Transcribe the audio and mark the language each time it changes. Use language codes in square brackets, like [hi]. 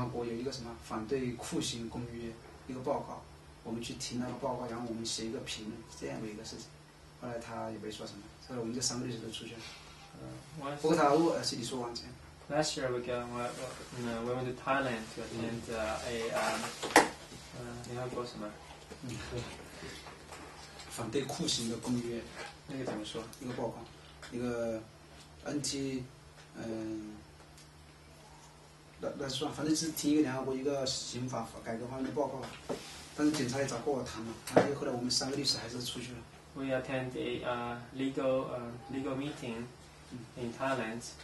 [en] Is it possible to go to China? [zh] 我们去听那个报告，然后我们写一个评论，这样的一个事情。后来他也没说什么，所以我们这三个律师都出去了。不过他问，是你说完成。 [en] Last year we got, we went to Thailand to attend [zh] 反对酷刑的公约。那个怎么说？一个报告，一个 NT， 那算，反正是听一个联合国一个刑法改革方面的报告。但是警察也找过我谈了，但是后来我们三个律师还是出去了。 [en] We attend a legal meeting in Thailand.